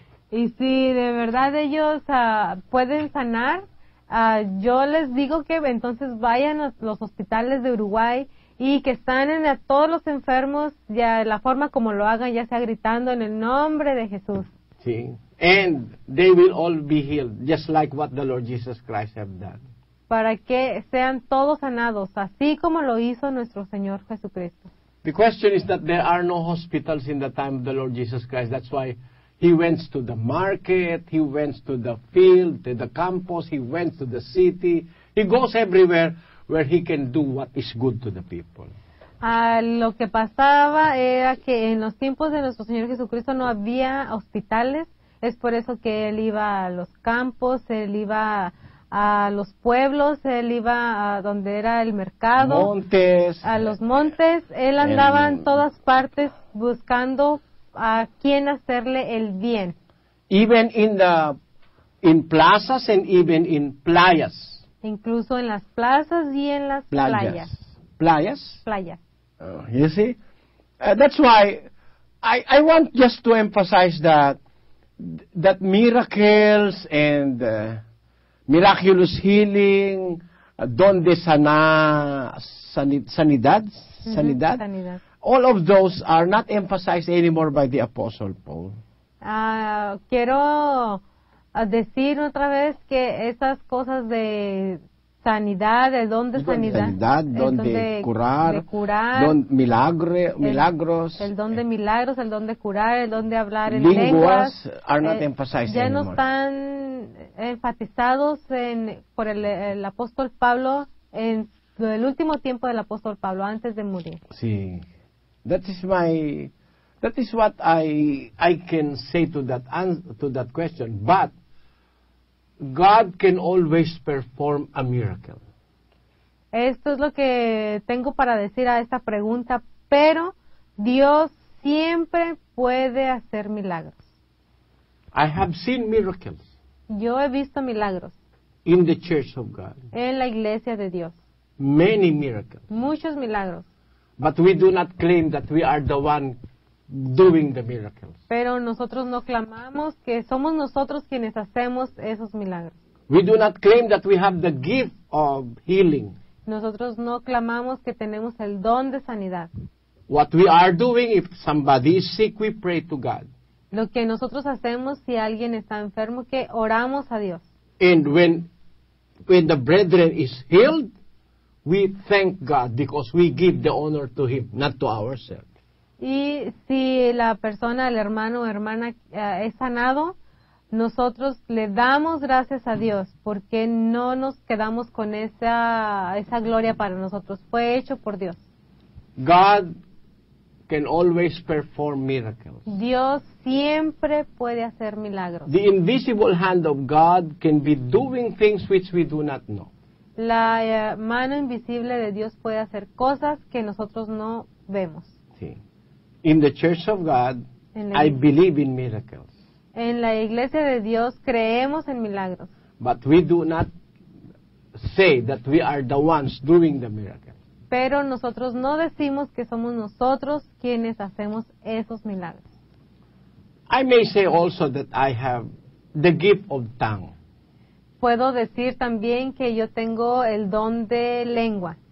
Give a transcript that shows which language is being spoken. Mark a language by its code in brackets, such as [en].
[es] Y si de verdad ellos pueden sanar, yo les digo que entonces vayan a los hospitales de Uruguay y que sanen a todos los enfermos ya la forma como lo hagan, ya sea gritando en el nombre de Jesús. Sí. [en] And they will all be healed, just like what the Lord Jesus Christ has done. [es] Para que sean todos sanados, así como lo hizo nuestro Señor Jesucristo. [en] The question is that there are no hospitals in the time of the Lord Jesus Christ. That's why He went to the market, he went to the field, to the campus, he went to the city. He goes everywhere where he can do what is good to the people. [es] Lo que pasaba era que en los tiempos de nuestro Señor Jesucristo no había hospitales. Es por eso que él iba a los campos, él iba a los pueblos, él iba a donde era el mercado. Montes. A los montes. Él andaba en todas partes buscando a quien hacerle el bien. [en] Even in plazas and even in playas. [es] Incluso en las plazas y en las playas. Playas. Playas. [en] You see? That's why I want just to emphasize that miracles and miraculous healing, [es] donde sana, sanidad, sanidad, [en] all of those are not emphasized anymore by the Apostle Paul. [es] Quiero decir otra vez que esas cosas de sanidad, de donde sanidad, sanidad, donde curar, de curar, donde milagros, el don de milagros, el don de curar, el don de hablar en lenguas, [en] are not emphasized [es] ya [en] anymore. [es] No están enfatizados por el apóstol Pablo en el último tiempo del apóstol Pablo antes de morir. Sí, [en] that is what I can say to that question, but God can always perform a miracle. [es] Esto es lo que tengo para decir a esta pregunta, pero Dios siempre puede hacer milagros. [en] I have seen miracles. [es] Yo he visto milagros. [en] In the church of God. [es] En la iglesia de Dios. [en] Many miracles. [es] Muchos milagros. [en] But we do not claim that we are the one doing the miracles. [es] Pero nosotros no clamamos que somos nosotros quienes hacemos esos milagros. [en] We do not claim that we have the gift of healing. [es] Nosotros no clamamos que tenemos el don de sanidad. [en] What we are doing, if somebody is sick, we pray to God. [es] Lo que nosotros hacemos si alguien está enfermo, que oramos a Dios. [en] And when the brethren is healed, we thank God because we give the honor to him, not to ourselves. [es] Y si la persona, el hermano o hermana es sanado, nosotros le damos gracias a Dios porque no nos quedamos con esa gloria para nosotros. Fue hecho por Dios. [en] God can always perform miracles. [es] Dios siempre puede hacer milagros. [en] The invisible hand of God can be doing things which we do not know. [es] La mano invisible de Dios puede hacer cosas que nosotros no vemos. Sí. [en] In the church of God, I believe in miracles. [es] En la iglesia de Dios creemos en milagros. [en] But we do not say that we are the ones doing the miracles. [es] Pero nosotros no decimos que somos nosotros quienes hacemos esos milagros. [en] I may say also that I have the gift of tongue. [es] Puedo decir también que yo tengo el don de lengua.